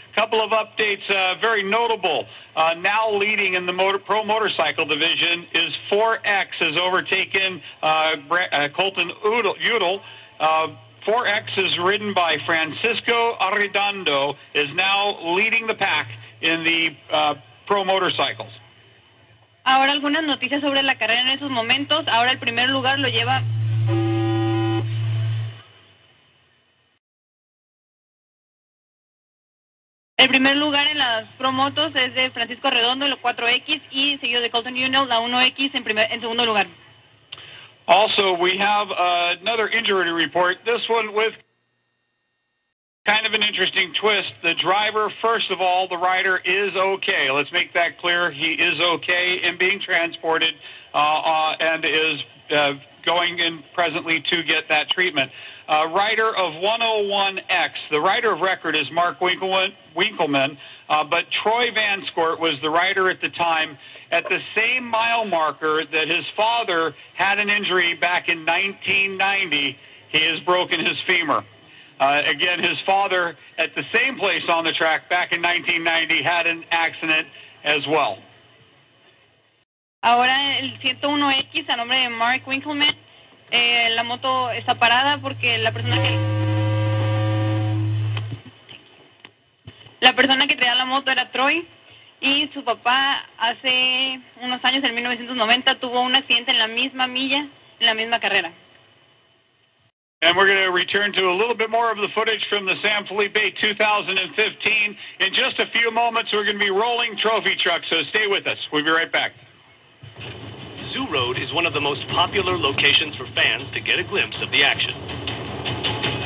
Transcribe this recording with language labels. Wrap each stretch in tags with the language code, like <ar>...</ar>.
<en>A couple of updates, very notable. Now leading in the pro motorcycle division is 4X, has overtaken Colton Udall. 4X is ridden by Francisco Arredondo, is now leading the pack in the pro motorcycles.</en> <es>Ahora algunas noticias sobre la carrera en esos momentos. Ahora el primer lugar lo lleva... El primer lugar en las promotos es de Francisco Arredondo, el 4X, y seguido de Colton Udall, la 1X, en segundo lugar.</es> <en>Also, we have another injury report, this one with kind of an interesting twist. The driver, first of all, the rider is okay. Let's make that clear. He is okay in being transported and is going in presently to get that treatment. Rider of 101X, the rider of record is Mark Winkleman, but Troy Vanscort was the rider at the time. At the same mile marker that his father had an injury back in 1990, He has broken his femur. Again, his father, at the same place on the track back in 1990, had an accident as well.</en> <es>Ahora el 101X a nombre de Mark Winkleman, la moto está parada porque la persona que traía la moto era Troy y su papá hace unos años, en 1990, tuvo un accidente en la misma milla, en la misma carrera.</es> <en>And we're going to return to a little bit more of the footage from the San Felipe 2015. In just a few moments, we're going to be rolling trophy trucks, so stay with us. We'll be right back. Zoo Road is one of the most popular locations for fans to get a glimpse of the action.</en>